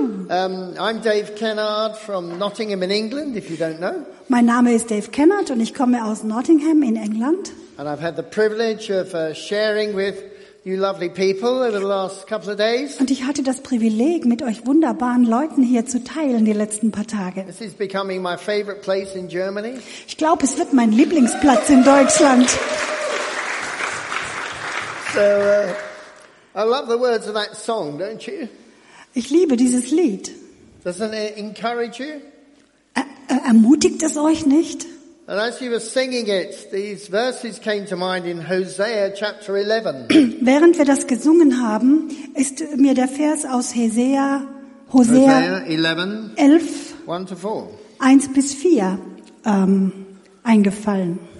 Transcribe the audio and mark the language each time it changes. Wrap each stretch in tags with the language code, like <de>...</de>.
<en>I'm Dave Kennard from Nottingham in England, if you don't know.</en> <de>Mein Name ist Dave Kennard und ich komme aus Nottingham in England.</de> <en>And I've had the privilege of sharing with you lovely people over the last couple of days.</en> <de>Und ich hatte das Privileg, mit euch wunderbaren Leuten hier zu teilen die letzten paar Tage.</de> <en>This is becoming my favorite place in Germany.</en> <de>Ich glaube, es wird mein Lieblingsplatz in Deutschland.</de> <en>So, I love the words of that song, don't you?</en> <de>Ich liebe dieses Lied.</de> <en>Doesn't it encourage you?</en> <de>Ermutigt es euch nicht?</de> <en>And as you were singing it, these verses came to mind in Hosea chapter 11.</en> <de>Während wir das gesungen haben, ist mir der Vers aus Hosea 11, 1 bis 4 eingefallen.</de>